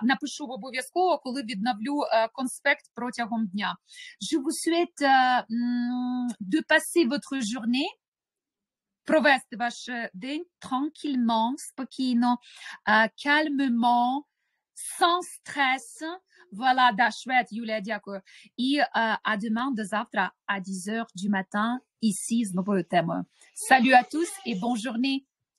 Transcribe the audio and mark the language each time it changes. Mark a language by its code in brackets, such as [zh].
[uk] Напишу обов'язково, коли відновлю конспект протягом дня. [fr] Je vous souhaite de passer votre journée. [uk] Провести ваш день tranquillement, спокійно, calmement, [fr] sans stress. [uk] Voilà, да, швед, Юлія, дякую. [fr] І а demain, [uk] до завтра, [fr] à 10h du matin, ici, [uk] з новою темою. [fr] Salut à tous et bonne journée!